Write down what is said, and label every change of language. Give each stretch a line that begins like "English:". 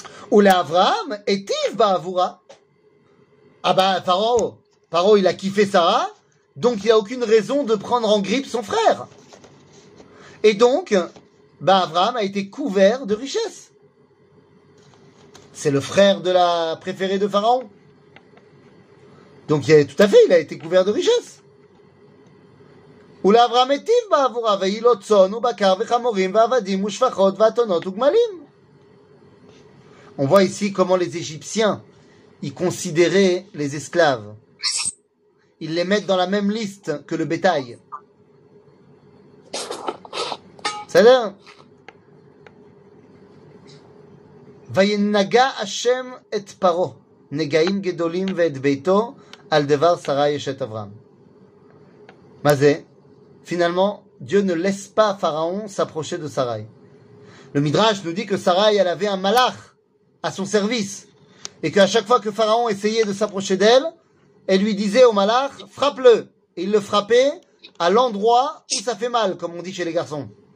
French: Ou l'Avraham est Yves Bahavoura. Ah ben, Paro, il a kiffé Sarah, donc il n'y a aucune raison de prendre en grippe son frère. Et donc, Avraham a été couvert de richesses. C'est le frère de la préférée de Pharaon. Donc, il a été couvert de richesses.
Hebrew: ולאברהם היטיב בעבורה, והיא לו צאן ובקר וחמורים ועבדים ושפחות ואתונות וגמלים.
French: On voit ici comment les Égyptiens y considéraient les esclaves. Ils les mettent dans la même liste que le bétail. Ça va?
Hebrew: וינגע השם את פרעה, נגעים גדולים ואת ביתו, על דבר שרה אשת אברהם. מה זה?
French: Finalement, Dieu ne laisse pas Pharaon s'approcher de Sarai. Le Midrash nous dit que Sarai, elle avait un malach à son service. Et qu'à chaque fois que Pharaon essayait de s'approcher d'elle, elle lui disait au malach, frappe-le. Et il le frappait à l'endroit où ça fait mal, comme on dit chez les garçons.